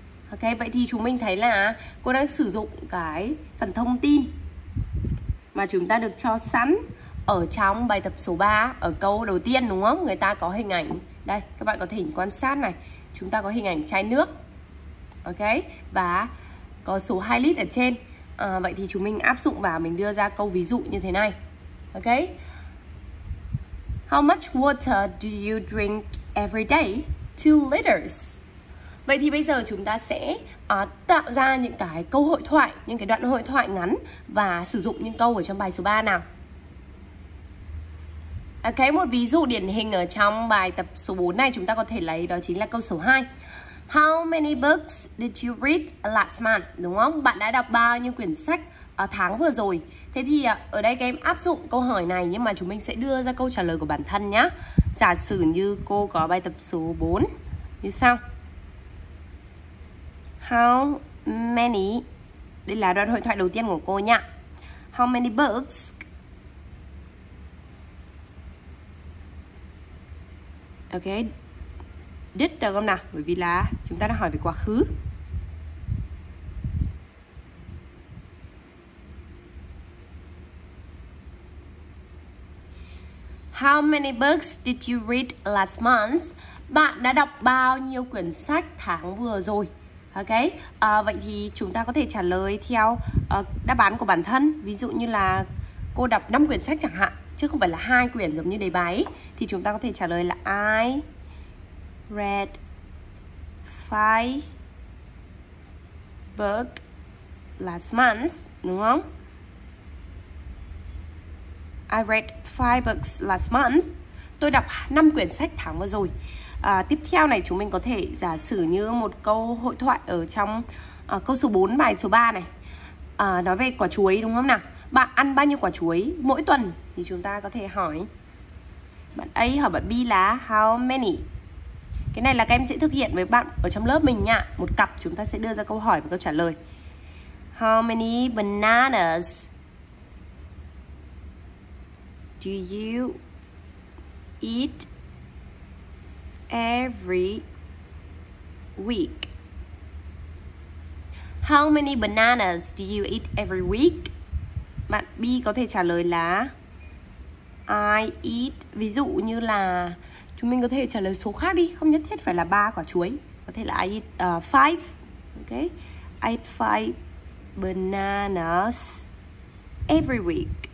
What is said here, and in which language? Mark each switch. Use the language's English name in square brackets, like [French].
[Vietnamese] Ok, vậy thì chúng mình thấy là cô đang sử dụng cái phần thông tin mà chúng ta được cho sẵn ở trong bài tập số 3 ở câu đầu tiên đúng không? Người ta có hình ảnh. Đây, các bạn có thể quan sát này. Chúng ta có hình ảnh chai nước. Ok, và có số 2 lít ở trên. Vậy thì chúng mình áp dụng vào, mình đưa ra câu ví dụ như thế này. Ok, [English] How much water do you drink every day? 2 liters. [Vietnamese] Vậy thì bây giờ chúng ta sẽ tạo ra những cái câu hội thoại, những cái đoạn hội thoại ngắn và sử dụng những câu ở trong bài số 3 nào. Ok, một ví dụ điển hình ở trong bài tập số 4 này chúng ta có thể lấy đó chính là câu số 2. [English] How many books did you read last month? [Vietnamese] Đúng không? Bạn đã đọc bao nhiêu quyển sách ở tháng vừa rồi? Thế thì ở đây các em áp dụng câu hỏi này nhưng mà chúng mình sẽ đưa ra câu trả lời của bản thân nhé. Giả sử như cô có bài tập số 4 như sau. [English] How many, [Vietnamese] đây là đoạn hội thoại đầu tiên của cô nhá. [English] How many books [Vietnamese] ok did được không nào, bởi vì là chúng ta đang hỏi về quá khứ. [English] How many books did you read last month? [Vietnamese] Bạn đã đọc bao nhiêu quyển sách tháng vừa rồi? Ok, vậy thì chúng ta có thể trả lời theo đáp án của bản thân. Ví dụ như là cô đọc 5 quyển sách chẳng hạn, chứ không phải là 2 quyển giống như đề bài. Thì chúng ta có thể trả lời là [English] I read 5 books last month, [Vietnamese] đúng không? [English] I read 5 books last month. [Vietnamese] Tôi đọc 5 quyển sách tháng vừa rồi. Tiếp theo này chúng mình có thể giả sử như một câu hội thoại ở trong câu số 4 bài số 3 này. Nói về quả chuối đúng không nào? Bạn ăn bao nhiêu quả chuối mỗi tuần? Thì chúng ta có thể hỏi bạn A hoặc bạn B là [English] how many. [Vietnamese] Cái này là các em sẽ thực hiện với bạn ở trong lớp mình nha. Một cặp chúng ta sẽ đưa ra câu hỏi và câu trả lời. [English] How many bananas do you eat every week? How many bananas do you eat every week? [Vietnamese] Bạn B có thể trả lời là [English] I eat, [Vietnamese] ví dụ như là chúng mình có thể trả lời số khác đi, không nhất thiết phải là 3 quả chuối, có thể là [English] I eat 5. Ok, I eat 5 bananas every week.